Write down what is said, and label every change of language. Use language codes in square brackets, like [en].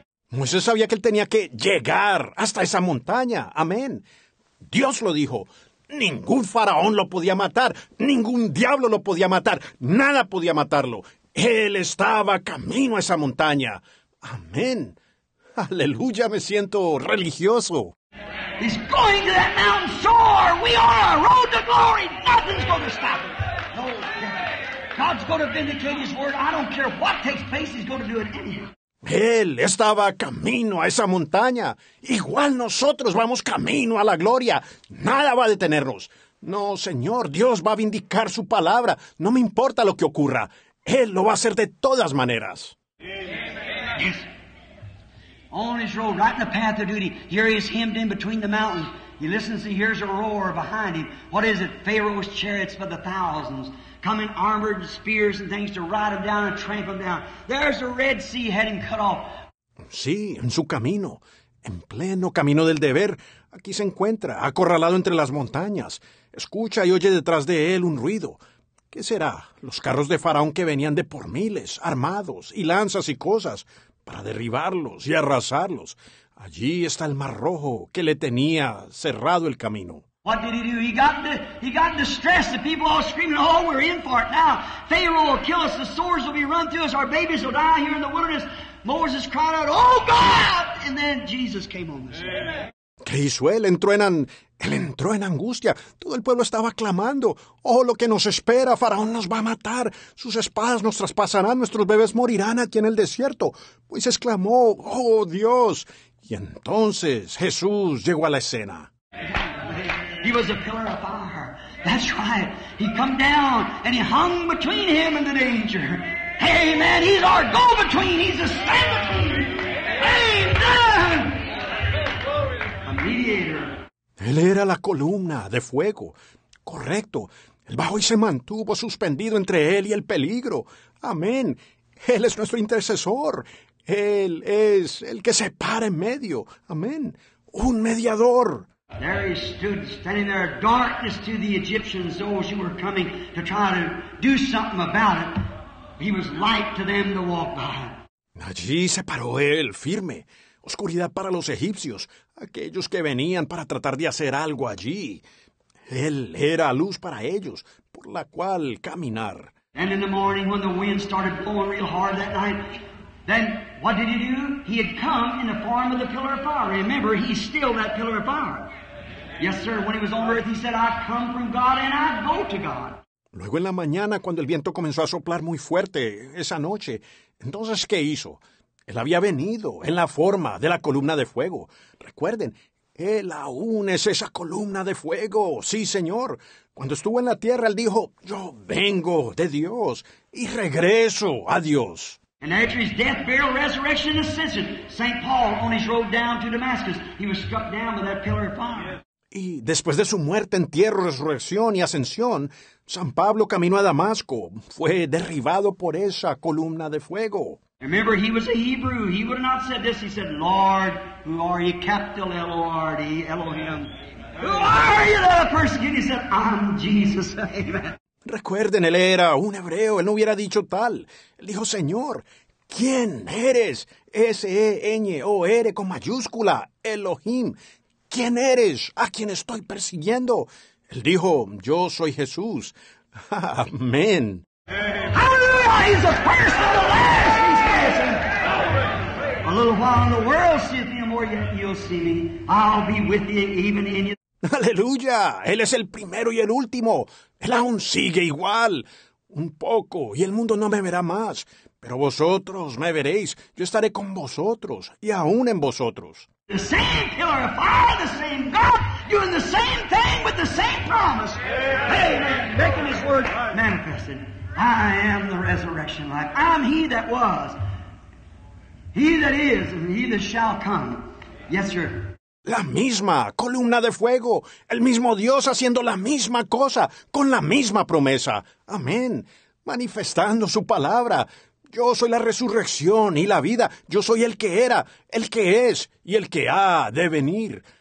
[es] Moisés sabía que él tenía que llegar hasta esa montaña. Amén. Dios lo dijo. Ningún faraón lo podía matar. Ningún diablo lo podía matar. Nada podía matarlo. Él estaba camino a esa montaña. Amén. Aleluya, me siento religioso. [en] He's going to that mountain. So are we on our road to glory. Nothing's going to stop him. No, God's going to vindicate his word. I don't care what takes place. He's going to do it anyhow. [es] Él estaba camino a esa montaña. Igual nosotros vamos camino a la gloria. Nada va a detenernos. No, Señor, Dios va a vindicar su palabra. No me importa lo que ocurra. Él lo va a hacer de todas maneras. [en] Yes. On his road, right in the path of duty. Here he is hemmed in between the mountains. He listens and hears a roar behind him. What is it? Pharaoh's chariots for the thousands. Coming armored spears and things to ride him down and tramp him down. There's the Red Sea had him cut off. [es] Sí, en su camino. En pleno camino del deber. Aquí se encuentra, acorralado entre las montañas. Escucha y oye detrás de él un ruido. ¿Qué será? Los carros de Faraón que venían de por miles, armados, y lanzas y cosas, para derribarlos y arrasarlos. Allí está el Mar Rojo que le tenía cerrado el camino. [en] What did he do? He got distressed. The people all screaming, oh, we're in for it now. Pharaoh will kill us. The swords will be run through us. Our babies will die here in the wilderness. Moses cried out, oh, God! And then Jesus came on the scene. [es] ¿Qué hizo él? Él entró en angustia. Todo el pueblo estaba clamando. Oh, lo que nos espera. Faraón nos va a matar. Sus espadas nos traspasarán. Nuestros bebés morirán aquí en el desierto. Pues exclamó, oh, Dios. Y entonces Jesús llegó a la escena. [en] He was a pillar of fire. That's right. He come down and he hung between him and the danger. Amen. He's our go-between. He's a stand-between. Amen. A mediator. [es] Él era la columna de fuego. Correcto. El bajo y se mantuvo suspendido entre él y el peligro. Amén. Él es nuestro intercesor. Él es el que se para en medio. Amén. Un mediador. [en] There he stood, standing there, darkness to the Egyptians, those who were coming to try to do something about it. He was light to them to walk by. [es] Allí se paró él, firme. Oscuridad para los egipcios, aquellos que venían para tratar de hacer algo allí. Él era luz para ellos, por la cual caminar. [en] And in the morning, when the wind started blowing real hard that night, then what did he do? He had come in the form of the pillar of fire. Remember, he's still that pillar of fire. Yes, sir. When he was on earth, he said, I come from God and I go to God. [es] Luego en la mañana, cuando el viento comenzó a soplar muy fuerte esa noche, entonces, ¿qué hizo? Él había venido en la forma de la columna de fuego. Recuerden, él aún es esa columna de fuego. Sí, señor. Cuando estuvo en la tierra, él dijo, yo vengo de Dios y regreso a Dios. [en] And after his death, burial, resurrection, and ascension, St. Paul, on his road down to Damascus, he was struck down by that pillar of fire. [es] Y después de su muerte, entierro, resurrección y ascensión, San Pablo caminó a Damasco. Fue derribado por esa columna de fuego. [en] Remember, he was a Hebrew. He would have not said this. He said, Lord, who are you? Capital L-O-R-D, Elohim. Who are you that I persecute? He said, I'm Jesus. Amen. [es] Recuerden, él era un hebreo, él no hubiera dicho tal. Él dijo, Señor, ¿quién eres? S-E-N-O-R con mayúscula, Elohim. ¿Quién eres? ¿A quién estoy persiguiendo? Él dijo, yo soy Jesús. Amén. [en] Hallelujah, he's the first and the last, he's passing. A little while in the world, see if you're more yet, you'll see me. I'll be with you even in you. [es] ¡Aleluya! Él es el primero y el último. Él aún sigue igual. Un poco, y el mundo no me verá más. Pero vosotros me veréis. Yo estaré con vosotros, y aún en vosotros. [en] The same pillar of fire, the same God, doing the same thing with the same promise. Amen. Yeah. Hey, making his word manifested. I am the resurrection life. I'm he that was, he that is, and he that shall come. Yes, sir. [es] La misma columna de fuego, el mismo Dios haciendo la misma cosa, con la misma promesa. Amén. Manifestando su palabra. Yo soy la resurrección y la vida. Yo soy el que era, el que es y el que ha de venir.